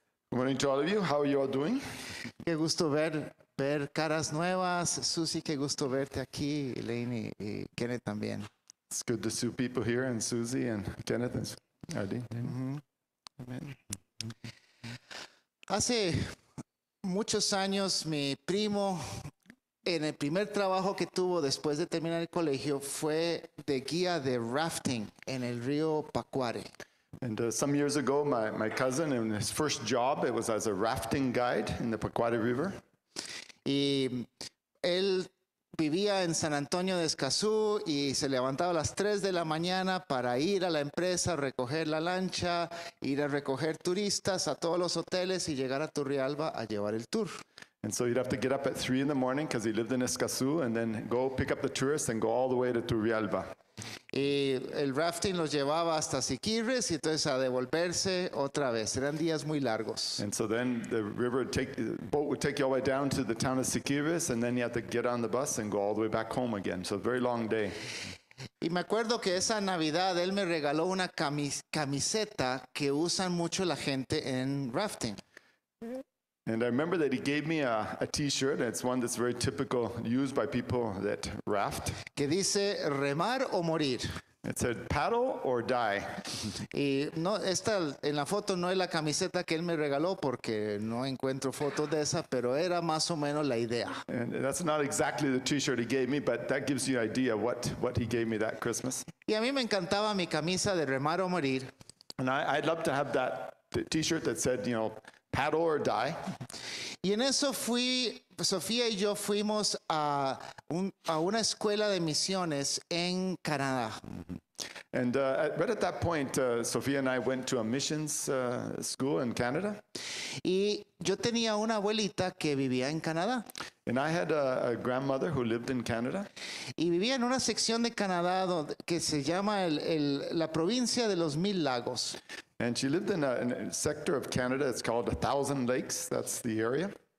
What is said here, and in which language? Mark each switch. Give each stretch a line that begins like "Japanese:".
English: Good morning to all of you. How are you all doing?
Spanish: Qué gusto ver caras nuevas. Susie, qué gusto verte aquí. Lainey y Kenneth también.
English: It's good to see people here, and Susie and Kenneth and Ardeen.
Spanish: Hace muchos años, mi primo, en el primer trabajo que tuvo después de terminar el colegio, fue de guía de rafting en el río Pacuare.
English: And some years ago, my cousin, in his first job, it was as a rafting guide in the Pacuare River.
Spanish: Y él vivía en San Antonio de Escazú y se levantaba a las 3 de la mañana para ir a la empresa, recoger la lancha, ir a recoger turistas a todos los hoteles y llegar a Turrialba a llevar el tour.
English: And so you'd have to get up at 3 in the morning because he lived in Escazú, and then go pick up the tourists and go all the way to Turrialba.
Spanish: Y el rafting los llevaba hasta Siquirres y entonces a devolverse otra vez. Eran días muy largos.
English: And so then the boat would take you all the way down to the town of Siquirres, and then you have to get on the bus and go all the way back home again. So a very long day.
Spanish: Y me acuerdo que esa Navidad él me regaló una camiseta que usan mucho la gente en rafting.
English: And I remember that he gave me a t-shirt, and it's one that's very typical, used by people that raft.
Spanish: Que dice remar o morir.
English: It said paddle or die.
Spanish: Y no, esta en la foto no es la camiseta que él me regaló porque no encuentro fotos de esa, pero era más o menos la idea.
English: And that's not exactly the t-shirt he gave me, but that gives you an idea what he gave me that Christmas.
Spanish: Y a mí me encantaba mi camisa de remar o morir.
English: And I'd love to have the t-shirt that said, paddle or die.
Spanish: Y en eso fui, Sofía y yo fuimos a una escuela de misiones en Canadá.
English: And right at that point, Sophia and I went to a missions school in Canada.
Spanish: Y yo tenía una abuelita que vivía en Canadá.
English: And I had a grandmother who lived in Canada.
Spanish: Y vivía en una sección de Canadá donde, que se llama la provincia de los Mil Lagos.
English: And she lived in a sector of Canada, it's called a Thousand Lakes, that's the area.